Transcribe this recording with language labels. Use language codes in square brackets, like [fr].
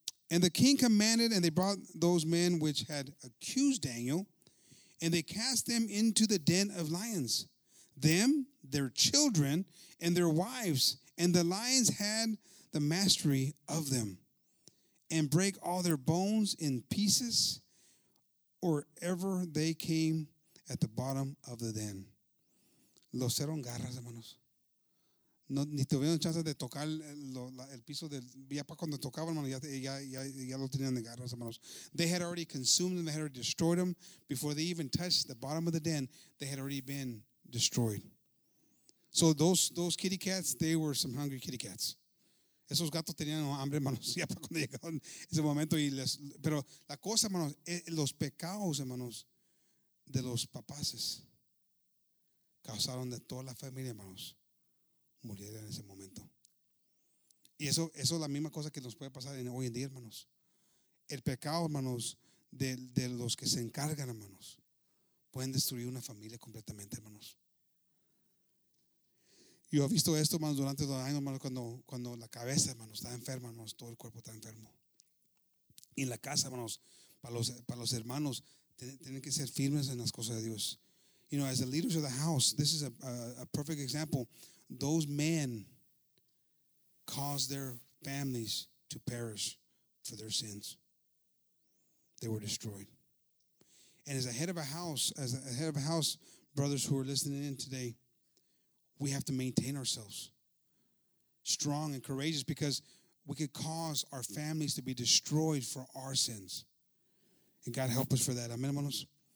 [en] And the king commanded, and they brought those men which had accused Daniel, and they cast them into the den of lions, them, their children, and their wives, and the lions had the mastery of them, and break all their bones in pieces, or ever they came at the bottom of the den. [es] Los cerraron garras, hermanos. No, ni tuvieron chance de tocar el piso del ya para cuando tocaban, hermanos, ya lo tenían de garras, hermanos. [en] They had already consumed them, they had already destroyed them. Before they even touched the bottom of the den, they had already been destroyed. So those kitty cats, they were some hungry kitty cats. [es] Esos gatos tenían hambre, hermanos, ya para cuando llegaron ese momento. Pero la cosa, hermanos, los pecados, hermanos, de los papaces causaron de toda la familia, hermanos, muriera en ese momento. Y eso es la misma cosa que nos puede pasar hoy en día, hermanos. El pecado, hermanos, de los que se encargan, hermanos, pueden destruir una familia completamente, hermanos. Yo he visto esto, hermanos, durante los años, hermanos, cuando la cabeza, hermanos, está enferma, hermanos, todo el cuerpo está enfermo. Y en la casa, hermanos, para los hermanos, tienen que ser firmes en las cosas de Dios. [en] You know, as the leaders of the house, this is a perfect example. Those men caused their families to perish for their sins. They were destroyed. And as a head of a house, brothers who are listening in today, we have to maintain ourselves strong and courageous because we could cause our families to be destroyed for our sins. And God help us for that. Amen, hermanos?